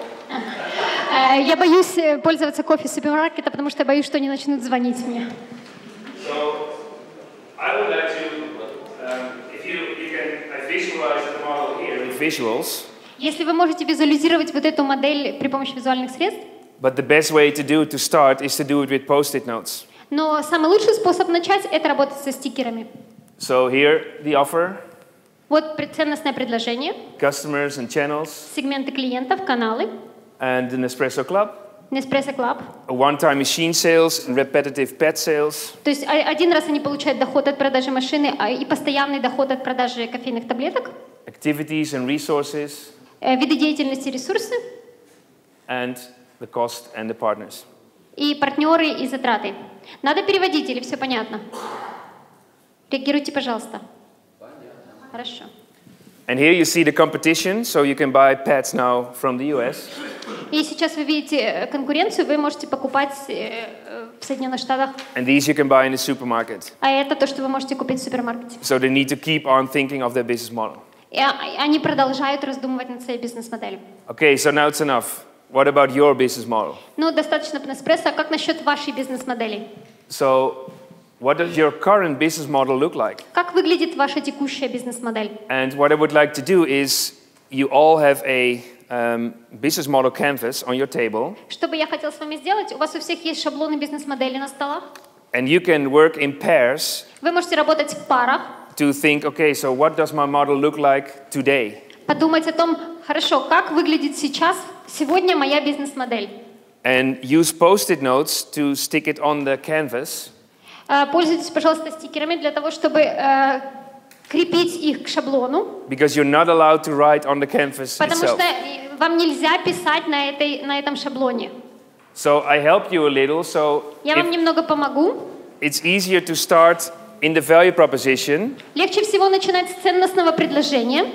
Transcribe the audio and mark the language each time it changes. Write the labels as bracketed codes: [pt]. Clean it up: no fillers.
[ru] Я боюсь пользоваться кофе супермаркета, потому что я боюсь, что они начнут звонить мне. [en] So, I would like to, if you, you can, visualize the model here with visuals. [ru] Если вы можете визуализировать вот эту модель при помощи визуальных средств. [en] But the best way to do it to start is to do it with post-it notes. [ru] Но самый лучший способ начать – это работать со стикерами. [en] So here the offer. [ru] Вот ценностное предложение. [en] Customers and channels. [ru] Сегменты клиентов, каналы. [en] And the Nespresso Club. [ru] Nespresso Club. [en] A one-time machine sales and repetitive pet sales. [ru] То есть один раз они получают доход от продажи машины и постоянный доход от продажи кофейных таблеток. [en] Activities and resources. [ru] Виды деятельности, ресурсы. [en] And the cost and the partners. [ru] И партнеры, и затраты. Надо переводить или все понятно? Реагируйте, пожалуйста. Понятно. Хорошо. [en] And here you see the competition, so you can buy pets now from the US. [ru] И сейчас вы видите конкуренцию, вы можете покупать в Соединенных Штатах. [en] And these you can buy in the supermarket. [ru] А это то, что вы можете купить в супермаркете. [en] So they need to keep on thinking of their business model. [ru] И они продолжают раздумывать над своей бизнес-моделью. [en] Okay, so now it's enough. What about your business model? [ru] Ну, достаточно про Nespresso, а как насчет вашей бизнес-модели? [en] So, what does your current business model look like? [ru] Как выглядит ваша текущая бизнес-модель? [en] And what I would like to do is, you all have a business model canvas on your table. [ru] Что бы я хотела с вами сделать? У вас у всех есть шаблоны бизнес-модели на столах. [en] And you can work in pairs. [ru] Вы можете работать в парах. [en] To think, okay, so what does my model look like today? [ru] Подумать о том, хорошо, как выглядит сейчас, сегодня моя бизнес-модель. [en] And use post-it notes to stick it on the canvas. [ru] Пользуйтесь, пожалуйста, стикерами для того, чтобы крепить их к шаблону. [en] Because you're not allowed to write on the canvas itself. [ru] Потому что вам нельзя писать на этой, на этом шаблоне. [en] So I help you a little, so [ru] я вам немного помогу. [en] It's easier to start in the value proposition. [ru] Легче всего начинать с ценностного предложения.